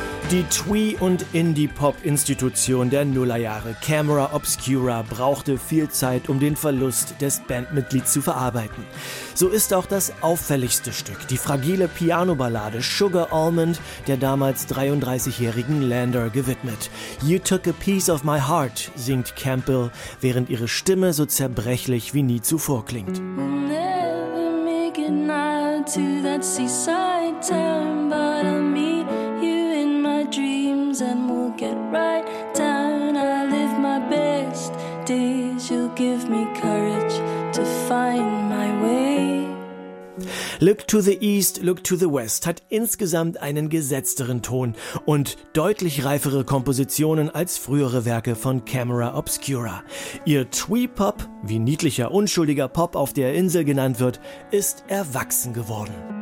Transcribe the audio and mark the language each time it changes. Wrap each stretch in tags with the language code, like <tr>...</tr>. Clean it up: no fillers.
<de>Die Twee- und Indie-Pop-Institution der Nullerjahre, Camera Obscura, brauchte viel Zeit, um den Verlust des Bandmitglieds zu verarbeiten. So ist auch das auffälligste Stück, die fragile Piano-Ballade Sugar Almond, der damals 33-jährigen Lander gewidmet.</de> <en>You took a piece of my heart,</en> <de>singt Campbell, während ihre Stimme so zerbrechlich wie nie zuvor klingt.</de> <en>Never make it now to that seaside town, but I'll meet you. Dreams and we'll get right down. I live my best days. You'll give me courage to find my way.</en> <de>Look to the East, Look to the West hat insgesamt einen gesetzteren Ton und deutlich reifere Kompositionen als frühere Werke von Camera Obscura. Ihr Twee-Pop, wie niedlicher, unschuldiger Pop auf der Insel genannt wird, ist erwachsen geworden.</de>